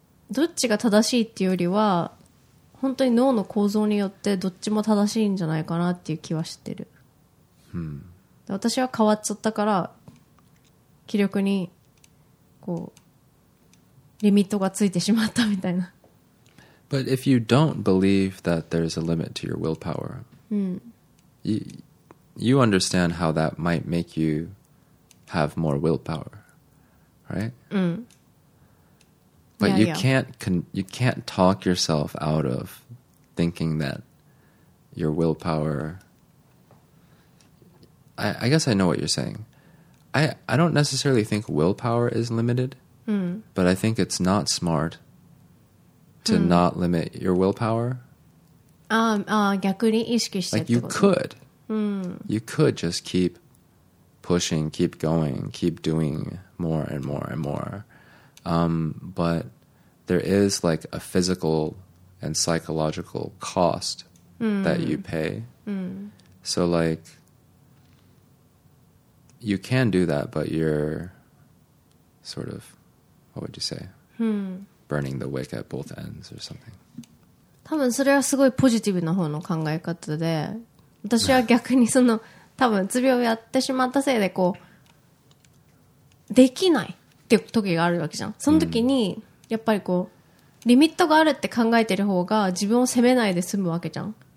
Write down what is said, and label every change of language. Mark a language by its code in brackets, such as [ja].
[ja] うん、どっちが正しいっていうよりは本当に脳の構造によってどっちも正しいんじゃないかなっていう気はしてる、うん、私は変わっちゃったから気力にこうリミットがついてしまったみたいな。 [en] But if you don't believe that there is a limit to your willpower,、 [ja] うん、 [en] you understand how that might make you have more willpower, right?、 [ja] うん、 [en] But yeah, you can't talk yourself out of thinking that your willpower. I guess I know what you're saying. I don't necessarily think willpower is limited. But I think it's not smart to、 [ja] うん、 [en] not limit your willpower. [ja] ああ、逆に意識してってこと。 [en] Like you could.、 [ja] うん、 [en] you could just keep pushing, keep going, keep doing more and more and more.、but there is like a physical and psychological cost、 [ja] うん、 [en] that you pay.、 [ja] うん、 [en] so like you can do that, but you're sort of... What would you say? Burning the wick at both ends or something. [ja] 多分それはすごいポジティブな方の考え方で、私は逆にその多分うつ病をやってしまったせいでこうできないっていう時があるわけじゃん。その時にやっぱりこうリミットがあるって考えてる方が自分を責めないで済むわけじゃん。